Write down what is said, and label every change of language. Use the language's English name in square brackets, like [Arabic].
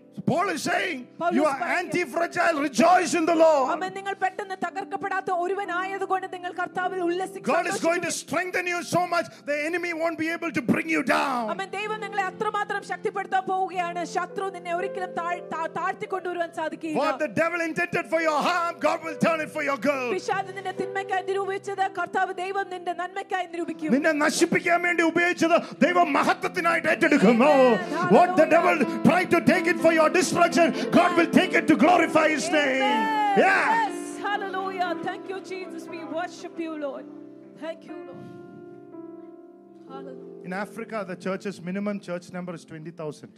[English] Paul is saying, you are antifragile, rejoice in the Lord. Amen. [Malayalam] നിങ്ങൾ പെട്ടെന്ന് തകർക്കപ്പെടാത്ത ഒരുവനായതുകൊണ്ട് നിങ്ങൾ കർത്താവിൽ ഉല്ലസിക്കുക. [English] God is going to strengthen you so much the enemy won't be able to bring you down. Amen. [Malayalam] ദൈവം നിങ്ങളെ അത്രമാത്രം ശക്തിപ്പെടുത്താൻ പോവുകയാണ്. ശത്രു നിന്നെ ഒരിക്കലും താഴ്ത്തി കൊണ്ടുവരാൻ സാധിക്കില്ല. [English] What the devil intended for your harm, God will turn it for your good. [Malayalam] പിശാച് നിന്റെ തിന്മയ്ക്കായി നിരൂപിച്ചത് കർത്താവ് ദൈവം നിന്റെ നന്മയ്ക്കായി നിരൂപിക്കും. നിന്നെ നശിപ്പിക്കാൻ വേണ്ടി ഉപയോഗിച്ചത് ദൈവം മഹത്വത്തിനായി ഏറ്റെടുക്കും. [English] What the devil tried to take it for your destruction, God will take it to glorify his name. Yes, hallelujah. Thank you Jesus, we worship you Lord. Thank you Lord. In Africa, the church's minimum church number is 20,000.